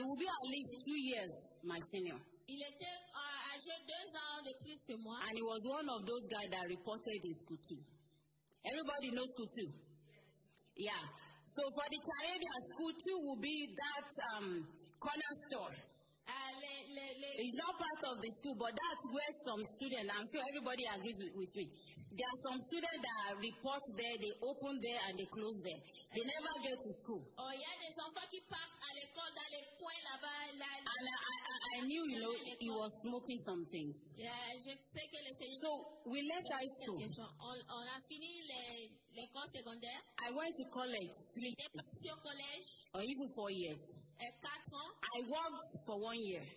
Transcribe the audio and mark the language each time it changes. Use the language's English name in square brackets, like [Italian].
[English] he would be at least 2 years my senior. [French] Il était, âgé deux ans de plus que moi. [English] And he was one of those guys that reported in school too. Everybody knows school too. Yeah. So for the Caribbean, school too would be that corner store. It's not part of the school, but that's where some students, I'm sure everybody agrees with me. There are some students that report there, they open there and they close there. They never get to school. Oh, yeah, there's some [French] enfants qui partent à l'école dans les coins là-bas. [English] And I knew, you know, he was smoking some things. [French] Yeah, je sais que le Seigneur. [English] So we left high school. [French] On a fini l'école secondaire. [English] I went to college. [French] J'étais au collège. [English] Or even 4 years. [French] 4 ans. [English] I worked for 1 year.